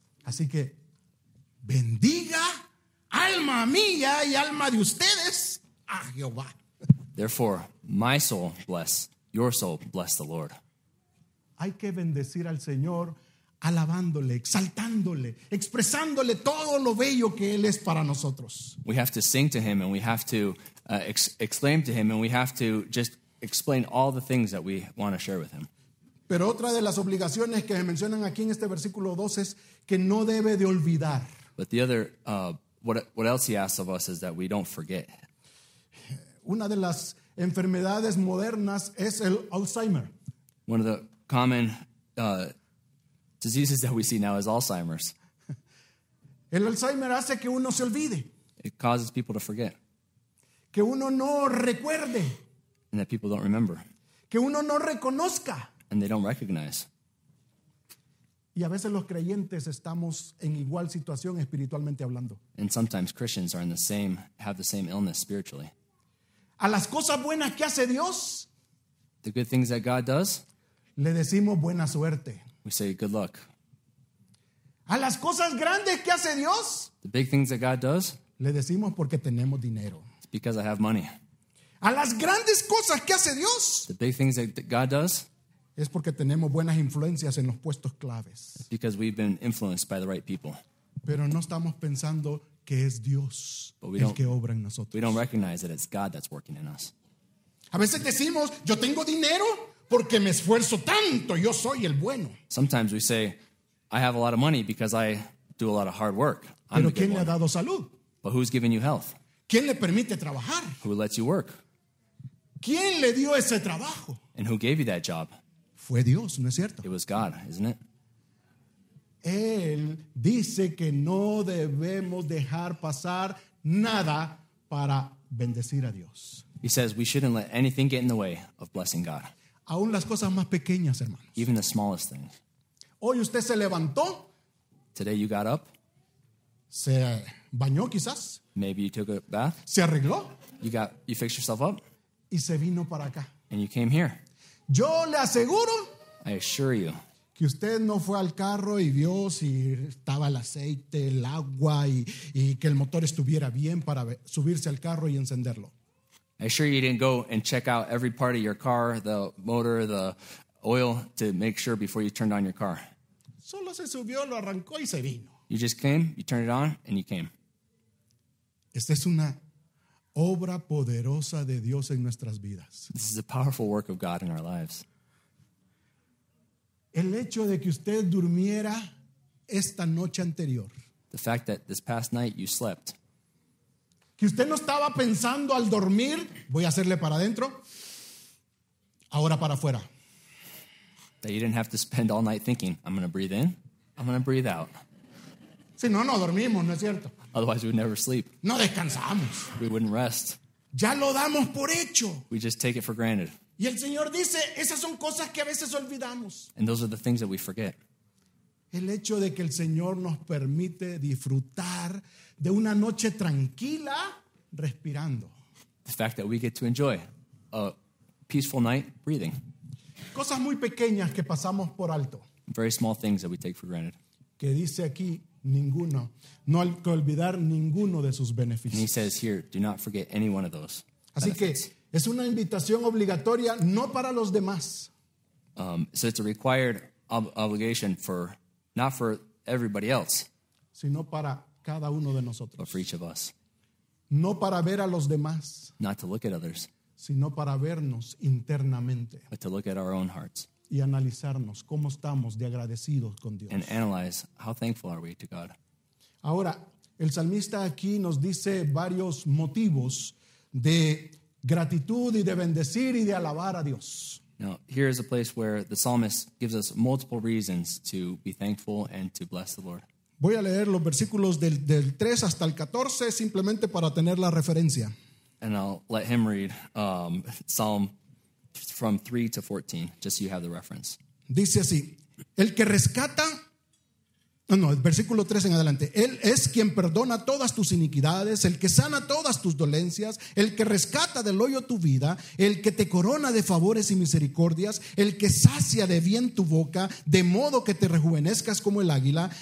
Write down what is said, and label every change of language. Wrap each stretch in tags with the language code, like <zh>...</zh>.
<es>Así que bendiga alma mía y alma de ustedes a Jehová.</es> <en>Therefore, my soul bless, your soul bless the Lord.</en> <es>Hay que bendecir al Señor alabándole, exaltándole, expresándole todo lo bello que él es para nosotros.</es> <en>We have to sing to him and we have to exclaim to him and we have to just explain all the things that we want to share with him.</en> <es>Pero otra de las obligaciones que se mencionan aquí en este versículo 12 es que no debe de olvidar.</es> <en>But the other what else he asks of us is that we don't forget.</en> <es>Una de las enfermedades modernas es el Alzheimer.</es> <en>One of the common diseases that we see now is Alzheimer's.</en> <es>El Alzheimer hace que uno se olvide.</es> <en>It causes people to forget.</en> <es>Que uno no recuerde.</es> <en>And that people don't remember.</en> <es>Que uno no reconozca.</es> <en>And they don't recognize.</en> <es>Y a veces los creyentes estamos en igual situación espiritualmente hablando.</es> <en>And sometimes Christians are in the same, have the same illness spiritually.</en> <es>A las cosas buenas que hace Dios.</es> <en>The good things that God does.</en> <es>Le decimos buena suerte.</es> <en>We say good luck.</en> <es>A las cosas grandes que hace Dios.</es> <en>The big things that God does.</en> <es>Le decimos porque tenemos dinero.</es> <en>It's because I have money.</en> <es>A las grandes cosas que hace Dios.</es> <en>The big things that God does.</en> <es>Es porque tenemos buenas influencias en los puestos claves.</es> <en>It's because we've been influenced by the right people.</en> <es>Pero no estamos pensando que es Dios el que obra en nosotros.</es> <en>We don't recognize that it's God that's working in us.</en> <es>A veces decimos, yo tengo dinero. Porque me esfuerzo tanto, yo soy el bueno.</es> <en>Sometimes we say, I have a lot of money because I do a lot of hard work. I'm</en> <es>pero ¿quién le ha dado salud?</es> <en>But who's giving you health?</en> <es>¿Quién le permite trabajar?</es> <en>Who lets you work?</en> <es>¿Quién le dio ese trabajo?</es> <en>And who gave you that job?</en> <es>Fue Dios, ¿no es cierto?</es> <en>It was God, isn't it?</en> <es>Él dice que no debemos dejar pasar nada para bendecir a Dios.</es> <en>He says we shouldn't let anything get in the way of blessing God.</en> <es>Aún las cosas más pequeñas, hermanos.</es> <en>Even the smallest things.</en> <es>Hoy usted se levantó.</es> <en>Today you got up.</en> <es>Se bañó quizás.</es> <en>Maybe you took a bath.</en> <es>Se arregló.</es> <en>You fixed yourself up.</en> <es>y se vino para acá.</es> <en>And you came here.</en> <es>Yo le aseguro.</es> <en>I assure you.</en> <es>Que usted no fue al carro y vio si estaba el aceite, el agua y que el motor estuviera bien para subirse al carro y encenderlo.</es> <en>I assure you didn't go and check out every part of your car, the motor, the oil, to make sure before you turned on your car.</en> <es>Solo se subió, lo arrancó y se vino.</es> <en>You just came, you turned it on, and you came.</en> <es>Esta es una obra poderosa de Dios en nuestras vidas.</es> <en>This is a powerful work of God in our lives.</en> <es>El hecho de que usted durmiera esta noche anterior.</es> <en>The fact that this past night you slept.</en> <es>Que usted no estaba pensando al dormir, voy a hacerle para adentro, ahora para afuera.</es> <en>That you didn't have to spend all night thinking, I'm going to breathe in, I'm going to breathe out.</en> <es>Si no, no dormimos, ¿no es cierto?</es> <en>Otherwise we would never sleep.</en> <es>No descansamos.</es> <en>We wouldn't rest.</en> <es>Ya lo damos por hecho.</es> <en>We just take it for granted.</en> <es>Y el Señor dice, esas son cosas que a veces olvidamos.</es> <en>And those are the things that we forget.</en> <es>El hecho de que el Señor nos permite disfrutar de una noche tranquila respirando.</es> <en>The fact that we get to enjoy a peaceful night breathing.</en> <es>Cosas muy pequeñas que pasamos por alto.</es> <en>Very small things that we take for granted.</en> <es>Que dice aquí, ninguno. No hay que olvidar ninguno de sus beneficios.</es> <en>And he says here, do not forget any one of those.</en> <es>Así que es una invitación obligatoria, no para los demás.</es> <en>So it's a required obligation for, not for everybody else.</en> <es>Sino para cada uno de nosotros.</es> <en>But for each of us.</en> <es>No para ver a los demás.</es> <en>Not to look at others.</en> <es>Sino para vernos internamente.</es> <en>But to look at our own hearts.</en> <es>Y analizarnos cómo estamos de agradecidos con Dios.</es> <en>And analyze how thankful are we to God.</en> <es>Ahora, el salmista aquí nos dice varios motivos de gratitud y de bendecir y de alabar a Dios.</es> <en>Now, here is a place where the psalmist gives us multiple reasons to be thankful and to bless the Lord.</en> <es>Voy a leer los versículos del 3 hasta el 14 simplemente para tener la referencia.</es> <en>And I'll let him read Psalm from 3 to 14, just so you have the reference.</en> <es>Dice así, el que rescata, no, el versículo 3 en adelante, él es quien perdona todas tus iniquidades, el que sana todas tus dolencias, el que rescata del hoyo tu vida, el que te corona de favores y misericordias, el que sacia de bien tu boca, de modo que te rejuvenezcas como el águila.</es>